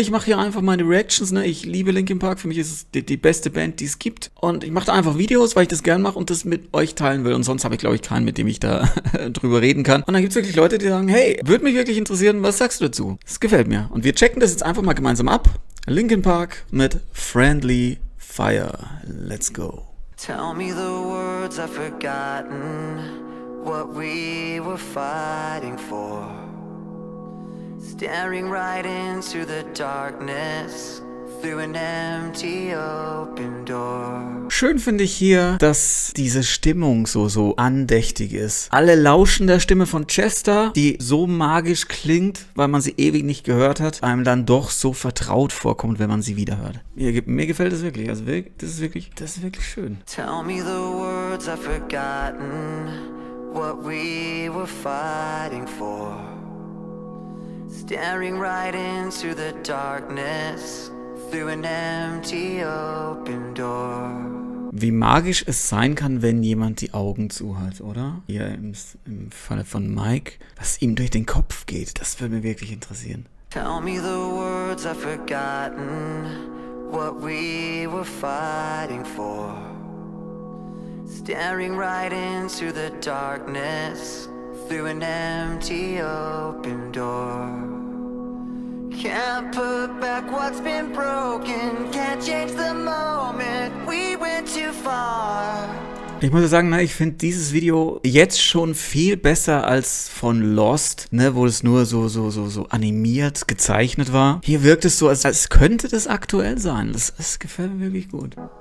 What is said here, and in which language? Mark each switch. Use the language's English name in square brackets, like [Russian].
[German] Ich mache hier einfach meine Reactions, ne? Ich liebe Linkin Park. Für mich ist es die beste Band, die es gibt. Und ich mache da einfach Videos, weil ich das gern mache und das mit euch teilen will. Und sonst habe ich, glaube ich, keinen, mit dem ich da drüber reden kann. Und dann gibt es wirklich Leute, die sagen, hey, würde mich wirklich interessieren, was sagst du dazu? Das gefällt mir. Und wir checken das jetzt einfach mal gemeinsam ab. Linkin Park mit Friendly Fire. [English] Let's go. Tell me the words I've forgotten. What we were fighting for. Staring right into the darkness through an empty open door. [German] Schön finde ich hier, dass diese Stimmung so andächtig ist. Alle lauschen der Stimme von Chester, die so magisch klingt, weil man sie ewig nicht gehört hat, einem dann doch so vertraut vorkommt, wenn man sie wiederhört. Mir gefällt das wirklich. Also das ist wirklich schön. [English] Tell me the words I've forgotten. What we were fighting for. Staring right into the darkness through an empty open door. [German] Wie magisch es sein kann, wenn jemand die Augen zu hat, oder? Hier im Falle von Mike, was ihm durch den Kopf geht, das würde mich wirklich interessieren. [English] Tell me the words I've forgotten. What we were fighting for. Staring right into the darkness through an empty open door. Can't put back what's been broken. Can't change the moment. We went too far. [German] Ich muss sagen, ich finde dieses Video jetzt schon viel besser als von Lost, ne, wo es nur so animiert, gezeichnet war. Hier wirkt es so, als könnte das aktuell sein. Das gefällt mir wirklich gut.